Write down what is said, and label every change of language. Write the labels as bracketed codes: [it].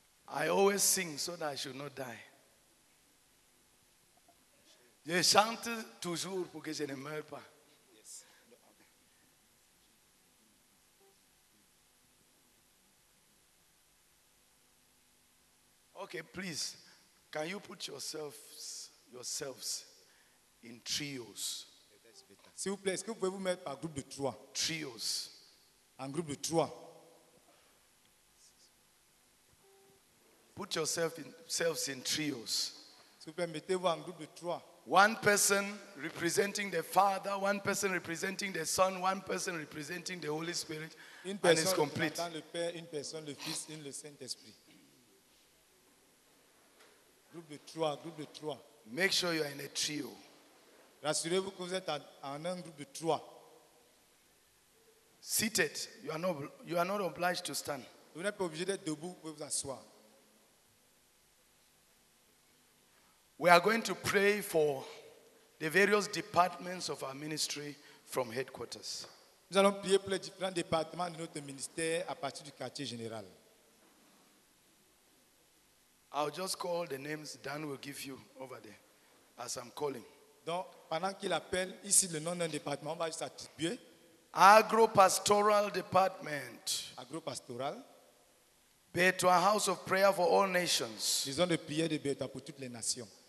[en] I always sing so that I should not die. [fr] Je chante toujours pour que je ne meure pas. [en] Yes. Okay, please. Can you put yourselves in trios? [fr] S'il vous plaît, est-ce que vous pouvez vous mettre par groupe de trois? [en] Trios. [fr] En groupe de trois. [en] Put yourselves in trios. [fr] S'il vous plaît, mettez-vous en groupe de trois. [en] One person representing the Father, one person representing the Son, one person representing the Holy Spirit, [fr] une personne, [en] and it's complete. [fr] Le Père, une personne, le Fils, une le Saint-Esprit. Groupe de trois, groupe de trois. [en] Make sure you are in a trio. [fr] Rassurez-vous que vous êtes en un groupe de trois. [en] Seated, you are not obliged to stand. [fr] Vous n'êtes pas obligé d'être debout, vous pouvez vous asseoir. [en] We are going to pray for the various departments of our ministry from headquarters. [fr] Nous allons prier pour les différents départements de notre ministère à partir du quartier général. [en] I'll just call the names Dan will give you over there as I'm calling. [fr] Donc, pendant qu'il appelle ici le nom d'un département, on va juste attribuer. [en] Agro-pastoral department. Agro-pastoral. Beta, house of prayer for all nations. [fr] Maison de prière de Beta pour toutes les nations.